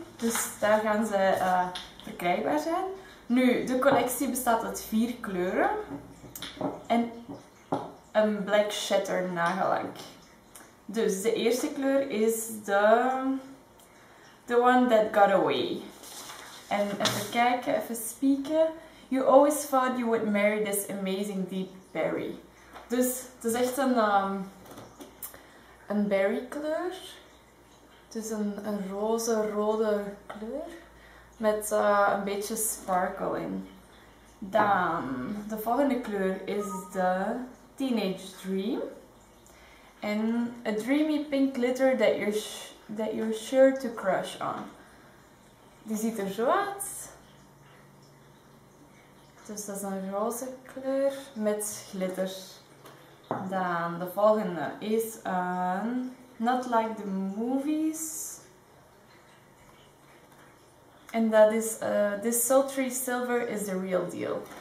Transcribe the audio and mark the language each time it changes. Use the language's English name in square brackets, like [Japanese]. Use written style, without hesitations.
[Dutch] Dus daar gaan ze verkrijgbaar zijn. Nu, de collectie bestaat uit 4 kleuren. En een Black Shatter nagellak. Dus de eerste kleur is the one that got away. En even kijken, even spieken. [English] You always thought you would marry this amazing deep berry. [Dutch] Dus het is echt een berry kleur. Dus een roze rode kleur. Met een beetje sparkle in. Dan, de volgende kleur is de Teenage Dream. [English] En a dreamy pink glitter that you're sure to crush on. [Dutch] Die ziet er zo uit. Dus dat is een roze kleur met glitter. Dan de volgende is een Not Like the Movies. En dat is [English] This Sultry Silver is the Real Deal.